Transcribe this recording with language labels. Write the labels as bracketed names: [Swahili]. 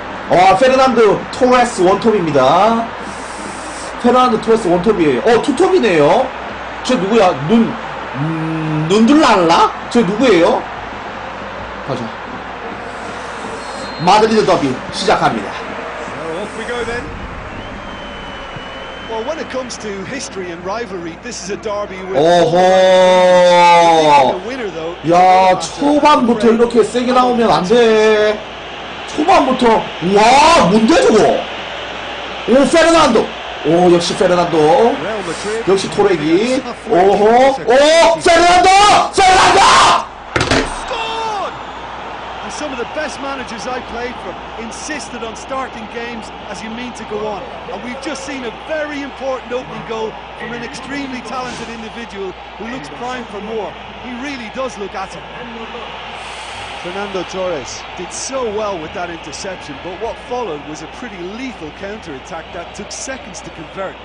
[Korean] 와 페르난드 토레스 원톱입니다. 페르난드 토레스 원톱이에요. 어 투톱이네요. 쟤 누구야? 눈 눈둘랄라? 쟤 누구예요? 가자. 마드리드 더비 시작합니다. [English] Off we go then. Well, when it comes to history and rivalry, this is a derby with. [Korean] 어허. 야 초반부터 이렇게 세게 나오면 안 돼. 초반부터 와 뭔데 저거 오 페르난도 오 역시 페르난도 역시 토레기 오호 오 페르난도 페르난도 [English] And some of the best managers I played for insisted on starting games as you mean to go on. And we've just seen a very important opening goal from an extremely talented individual who looks primed for more. He really does look at it. Fernando Torres did so well with that interception, but what followed was a pretty lethal counter-attack that took seconds to convert.